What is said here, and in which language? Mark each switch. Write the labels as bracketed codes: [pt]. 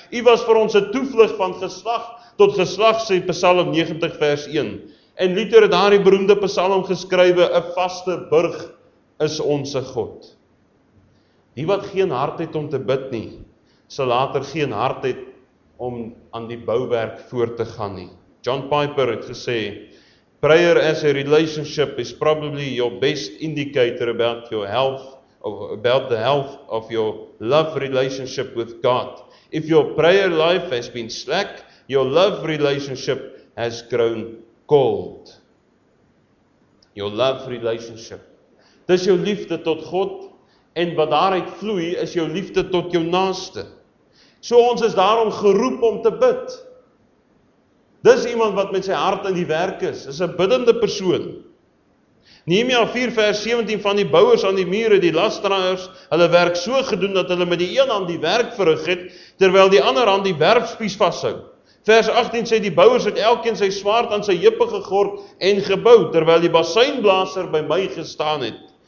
[af] Hy was vir ons een toevlug van geslag tot geslag, sê Psalm 90 vers 1. En Luther het daar die beroemde psalm geskrywe, [nl] een vaste burg is onze God. [af] Die wat geen hart het om te bid nie, sal later geen hart het om aan die bouwerk voor te gaan nie. [en] John Piper het gesê, prayer as a relationship is probably your best indicator about your health, or about the health of your love relationship with God. If your prayer life has been slack, your love relationship has grown cold. Your love relationship. [af] Dis jou liefde tot God, en wat daaruit vloei, is jou liefde tot jou naaste. So ons is daarom geroep om te bid. Dis iemand wat met sy hart in die werk is, is 'n biddende persoon. Nehemia 4 vers 17, van die bouwers aan die mure, die lasdraers, hulle werk so gedoen, dat hulle met die een hand die werk verrig het, terwyl die ander hand die werfspies vashou. Vers 18 sê die bouwers het elkeen sy swaard aan sy heupe gegord en gebou, terwyl die basynblaser by my gestaan het.